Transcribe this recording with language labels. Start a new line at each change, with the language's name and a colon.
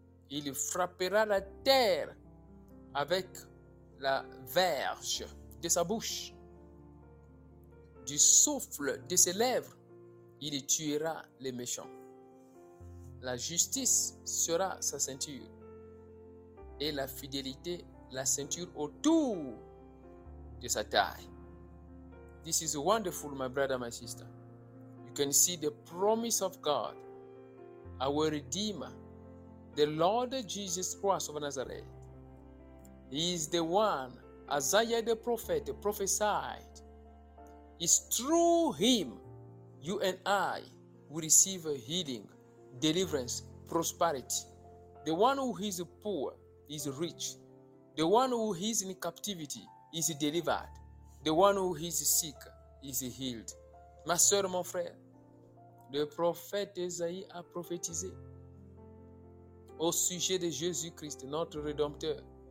French: Il frappera la terre avec la verge de sa bouche, du souffle de ses lèvres, il tuera les méchants. La justice sera sa ceinture et la fidélité la ceinture autour de sa taille.
English: This is wonderful, my brother, my sister. You can see the promise of God, our Redeemer, the Lord Jesus Christ of Nazareth. He is the one Isaiah the prophet prophesied. It's through him you and I will receive healing, deliverance, prosperity. The one who is poor is rich. The one who is in captivity is delivered. The one who is sick is healed.
French: Ma soeur, mon frère, le prophète Isaïe a prophétisé au sujet de Jésus-Christ, notre rédempteur.